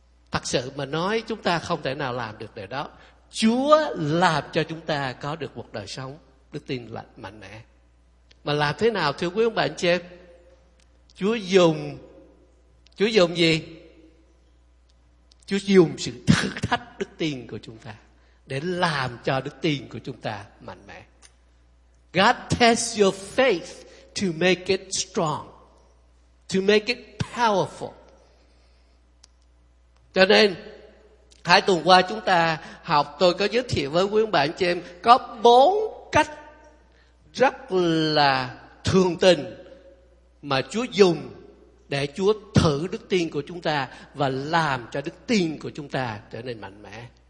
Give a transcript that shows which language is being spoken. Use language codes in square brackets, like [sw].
[vi] Thật sự mà nói chúng ta không thể nào làm được điều đó. Chúa làm cho chúng ta có được một đời sống đức tin mạnh mẽ. Mà làm thế nào thưa quý ông bà anh chị em? Chúa dùng gì? Chúa dùng sự thử thách đức tin của chúng ta để làm cho đức tin của chúng ta mạnh mẽ. [en] God tests your faith to make it strong, to make it powerful. [vi] Cho nên hai tuần qua chúng ta học, tôi có giới thiệu với quý ông bà anh chị em có bốn cách rất là thường tình mà Chúa dùng để Chúa thử đức tin của chúng ta và làm cho đức tin của chúng ta trở nên mạnh mẽ.